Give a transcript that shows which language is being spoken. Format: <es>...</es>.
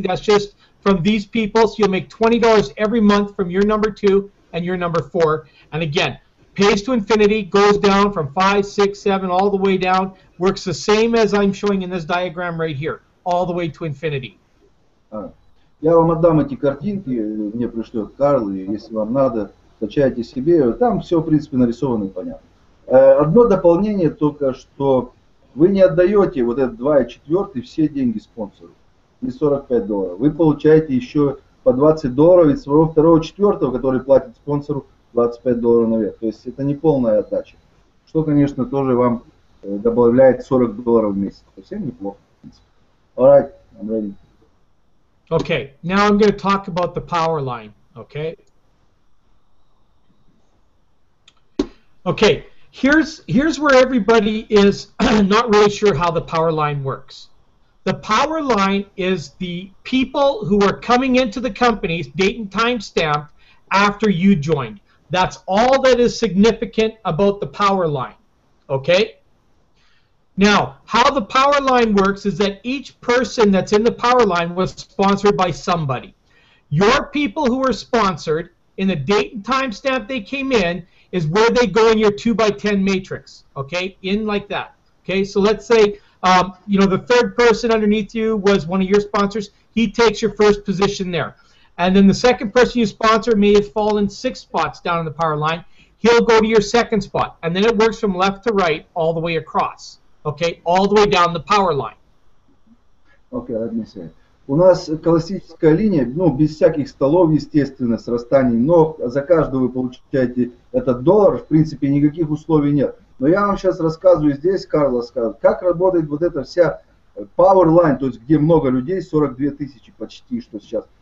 <en>That's just from these people. So you'll make $20 every month from your number 2 and your number 4. And again, pays to infinity, goes down from 5, 6, 7, all the way down. Works the same as I'm showing in this diagram right here, all the way to infinity.</en> <ru>Я вам отдам эти картинки, мне пришлет Карл, и если вам надо, скачайте себе. Там все, в принципе, нарисовано и понятно. Одно дополнение только, что... Вы не отдаете вот этот 2 и 4 все деньги спонсору, не $45. Вы получаете еще по $20 из своего 2-го, 4-го, который платит спонсору $25 наверх. То есть это не полная отдача, что, конечно, тоже вам добавляет $40 в месяц. Совсем неплохо, в принципе.</ru> <en>All right, I'm ready. Okay, now I'm going to talk about the power line, okay? Okay. Here's where everybody is not really sure how the power line works. The power line is the people who are coming into the company, date and time stamped, after you joined. That's all that is significant about the power line. Okay? Now, how the power line works is that each person that's in the power line was sponsored by somebody. Your people who were sponsored in the date and time stamp they came in is where they go in your 2x10 matrix, okay? In like that, okay? So let's say, you know, the third person underneath you was one of your sponsors. He takes your first position there. And then the second person you sponsor may have fallen 6 spots down in the power line. He'll go to your second spot. And then it works from left to right all the way across, okay? All the way down the power line. Okay, let me see.</en> <ru>У нас классическая линия, ну, без всяких столов, естественно, с расстанием, но за каждого вы получаете этот доллар, в принципе, никаких условий нет. Но я вам сейчас рассказываю здесь, Карлос, как работает вот эта вся power line, то есть где много людей, 42 тысячи почти, что сейчас.</ru>